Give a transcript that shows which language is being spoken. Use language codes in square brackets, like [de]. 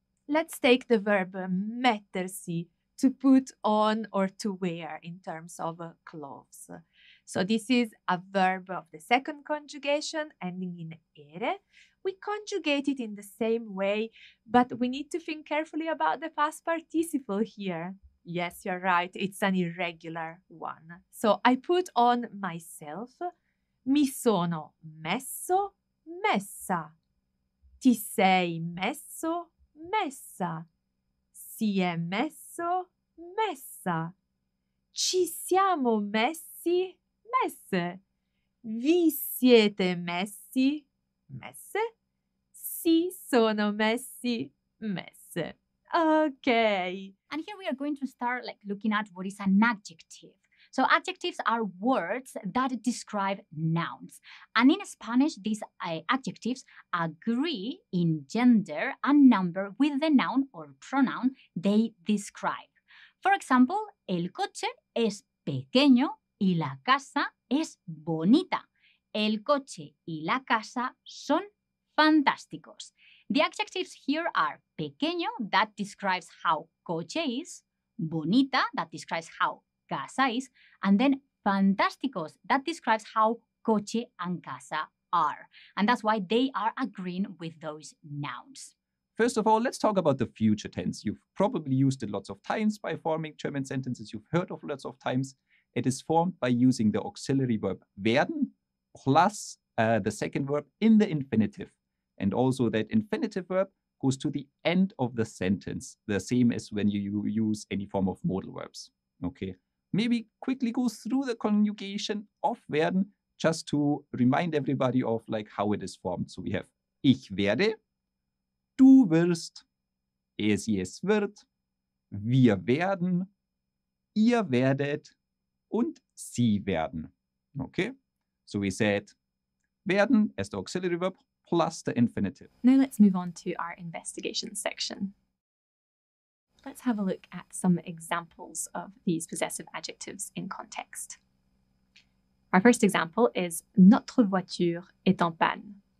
[en] Let's take the verb mettersi, to put on or to wear in terms of clothes. So this is a verb of the second conjugation ending in ere. We conjugate it in the same way, but we need to think carefully about the past participle here. Yes, you're right, it's an irregular one. So I put on myself, [it] mi sono messo, messa. Ti sei messo, messa. Si è messo, messa. Ci siamo messi, messe. Vi siete messi, messe. Si sono messi, messe. [en] Okay. And here we are going to start looking at what is an adjective. So adjectives are words that describe nouns. And in Spanish, these adjectives agree in gender and number with the noun or pronoun they describe. [es] For example, el coche es pequeño y la casa es bonita. El coche y la casa son fantásticos. [en] The adjectives here are pequeño, that describes how coche is, bonita, that describes how casa is, and then fantásticos, that describes how coche and casa are. And that's why they are agreeing with those nouns. First of all, let's talk about the future tense. You've probably used it lots of times by forming German sentences. You've heard of lots of times. It is formed by using the auxiliary verb werden plus the second verb in the infinitive. And also that infinitive verb goes to the end of the sentence, the same as when you use any form of modal verbs. Okay. Maybe quickly go through the conjugation of werden just to remind everybody of how it is formed. So we have [de] ich werde, du wirst, es wird, wir werden, ihr werdet, und sie werden. [en] Okay? So we said werden as the auxiliary verb plus the infinitive. Now let's move on to our investigation section. Let's have a look at some examples of these possessive adjectives in context. Our first example is [fr] notre voiture est en panne.